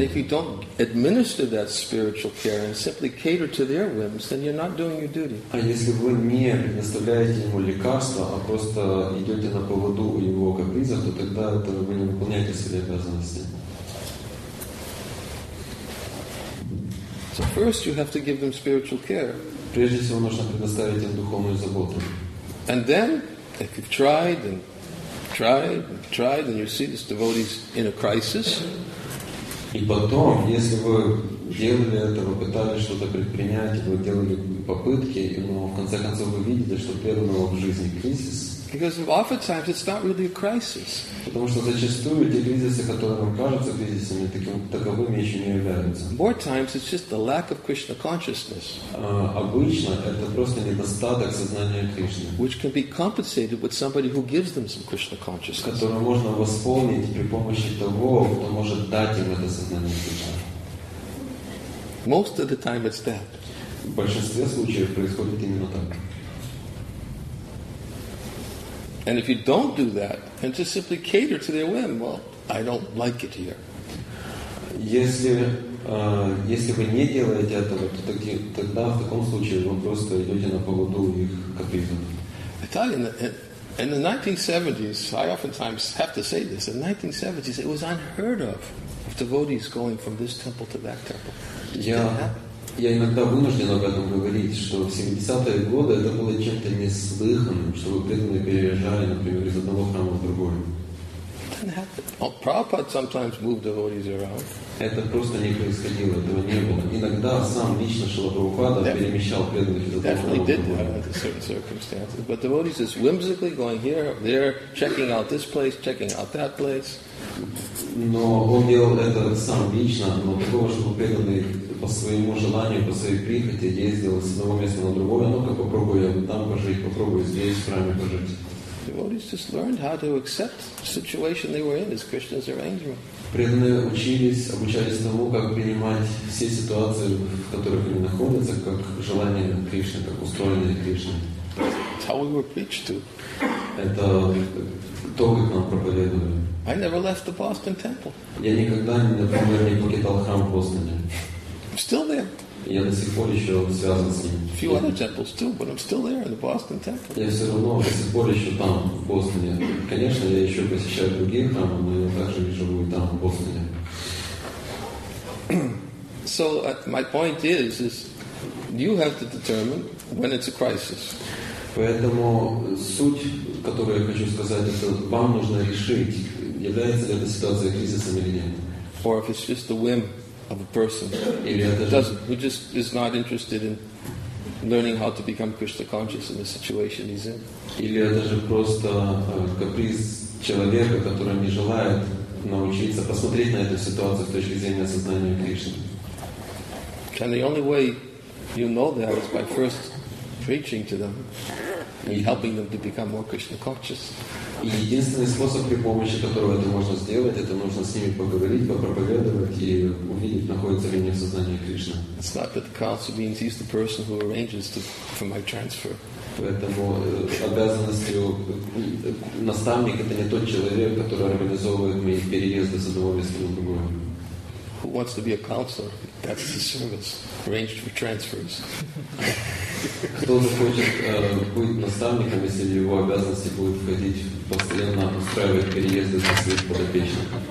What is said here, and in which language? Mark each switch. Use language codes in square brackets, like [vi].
[en] And if you don't administer that spiritual care and simply cater to their whims, then you're not doing your duty. [ru] А если вы не предоставляете ему лекарства, а просто идете на поводу у его капризов, то тогда вы не выполняете свои обязанности. [en] So first you have to give them spiritual care. [ru] Прежде всего нужно предоставить им духовную заботу. [en] And then, if you've tried, and you see this devotee's in a crisis. [ru] И потом, если вы делали это, вы пытались что-то предпринять, вы делали попытки, но в конце концов вы видите, что преданного в жизни кризис. [en] Because oftentimes it's not really a crisis. [ru] Потому что зачастую те кризисы, которые нам кажутся кризисами, таковыми еще не являются. [en] More times it's just the lack of Krishna consciousness. [ru] Обычно это просто недостаток сознания Кришны. [en] Which can be compensated with somebody who gives them some Krishna consciousness. [ru] Которое можно восполнить при помощи того, кто может дать им это сознание Кришны. [en] Most of the time it's that. [ru] В большинстве случаев происходит именно так. [en] And if you don't do that, and just simply cater to their whim, well, I don't like it here. [ru] Если вы не делаете этого, то тогда в таком случае вы просто идете на поводу их капризов. [en] I tell you, in the 1970s, I oftentimes have to say this, in the 1970s, it was unheard of devotees going from this temple to that temple. [ru] Я иногда вынужден об этом говорить, что в 70-е годы это было чем-то неслыханным, чтобы преданные переезжали, например, из одного храма в другой. [en] Prabhupada sometimes moved devotees around. [ru] Это просто не происходило, этого не было. Иногда сам лично Шрила Прабхупада перемещал преданных из одного храма в другой. [en] Definitely did that under certain circumstances. But devotees is whimsically going here, there, checking out this place, checking out that place. [ru] Но он делал это сам лично, но такого, чтобы преданные по своему желанию, по своей прихоти ездил с одного места на другое. Ну-ка, попробую я там пожить, попробую здесь в храме пожить. [en] Devotees just learned how to accept the situation they were in as Krishna's arrangement. [ru] Преданные учились, обучались тому, как принимать все ситуации, в которых они находятся, как желание Кришны, как устроенное Кришны. [en] That's how we were preached to. [ru] Это то, как нам проповедовали. [en] I never left the Boston Temple. [ru] Я никогда, например, не покидал храм в Бостоне. [en] I'm still there. [ru] Я до сих пор еще связан с ним. [en] A few other temples too, but I'm still there in the Boston Temple. [ru] Я все равно до сих пор еще там, в Бостоне. Конечно, я еще посещаю другие храмы, но я также живу и там, в Бостоне. [en] So, my point is you have to determine when it's a crisis. [ru] Поэтому суть, которую я хочу сказать, это вам нужно решить, является ли эта ситуация кризисом или нет. [en] Or if it's just a whim of a person who just is not interested in learning how to become Krishna conscious in the situation he's in. [ru] Или это же просто каприз человека, который не желает научиться посмотреть на эту ситуацию с точки зрения сознания Кришны. [en] And the only way you know that is by first preaching to them and helping them to become more Krishna conscious. [ru] И единственный способ, при помощи которого это можно сделать, это нужно с ними поговорить, попроповедовать и увидеть, находится ли у них в сознании Кришна. [en] It's not that the council means he's the person who arranges for my transfer. [ru] Поэтому обязанностью наставник это не тот человек, который организовывает мои переезды с одного места на другое. [en] Who wants to be a counselor? That's the service arranged for transfers. [ru] Кто захочет быть наставником, если в его обязанности будет входить постоянно устраивать переезды со своих подопечных?